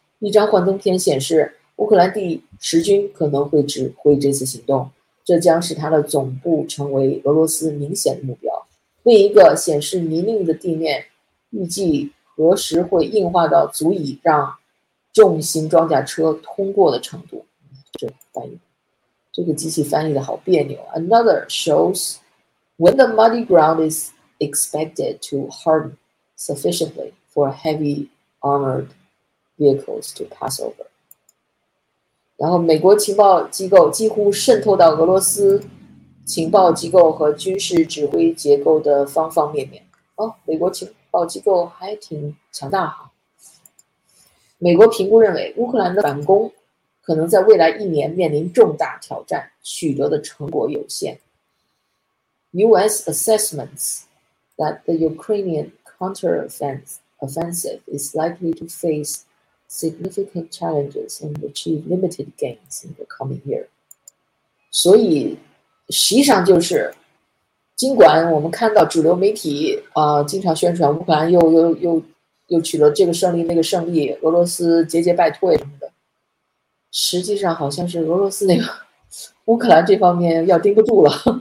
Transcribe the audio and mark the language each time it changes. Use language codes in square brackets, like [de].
[zh] 一张幻灯片显示，乌克兰第十军可能会指挥这次行动，这将使它的总部成为俄罗斯明显的目标。另一个显示泥泞的地面，预计何时会硬化到足以让重型装甲车通过的程度。这翻译，这个机器翻译的好别扭。 [en] Another shows when the muddy ground is expected to harden sufficiently for heavy armored vehicles to pass over。 [zh] 然后，美国情报机构几乎渗透到俄罗斯情报机构和军事指挥结构的方方面面。哦，美国情报机构还挺强大哈。美国评估认为，乌克兰的反攻可能在未来一年面临重大挑战，取得的成果有限。 [en] U.S. assessments that the Ukrainian counter-offensive is likely to face significant challenges and achieve limited gains in the coming year。 [zh] 所以，实际上就是，尽管我们看到主流媒体经常宣传乌克兰又取得这个胜利那个胜利，俄罗斯节节败退什么的，实际上好像是俄罗斯那个乌克兰这方面要盯不住了。